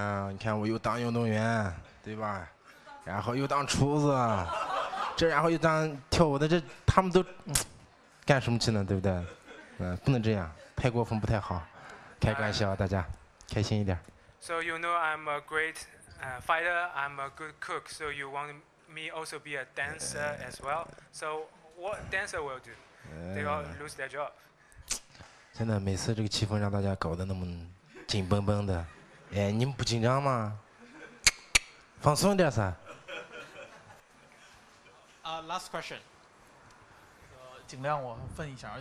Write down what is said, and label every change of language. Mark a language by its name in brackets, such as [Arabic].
[Chinese] 你看我又当运动员，对吧？然后又当厨子。这然后又当跳舞的，这他们都干什么去呢，对不对？不能这样，太过分不太好，开个玩笑，大家开心一点。 [English] So you know I'm a great fighter, I'm a good cook, so you want me also be a dancer as well? So what dancer will do? They all lose their job. [Chinese] 真的每次这个气氛让大家搞得那么紧绷绷的，哎，你们不紧张吗？放松点噻。 [English] Last question， [Chinese] 尽量我问一下。